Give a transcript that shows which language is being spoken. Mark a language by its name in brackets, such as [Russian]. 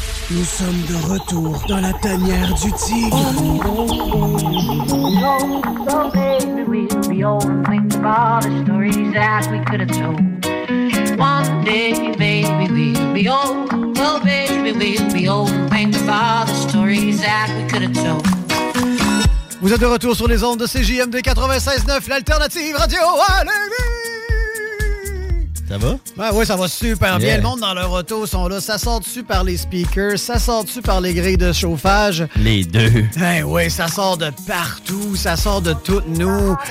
[French] Nous sommes de retour dans la tanière du tigre. Oh, oh, oh, oh, oh. [English] Oh, so maybe we'll be old and think of all the stories that we could have told. One day, maybe we'll be old. Well, maybe we'll be old and think of all the stories that we could have told. [French] Vous êtes de retour sur les ondes de CJMD 96.9, l'Alternative Radio à Lévis! Ça va? Ben oui, ça va super bien. Le monde dans leur auto sont là. Ça sort dessus par les speakers, ça sort dessus par les grilles de chauffage. Les deux. Ben oui, ça sort de partout, ça sort de toutes nous.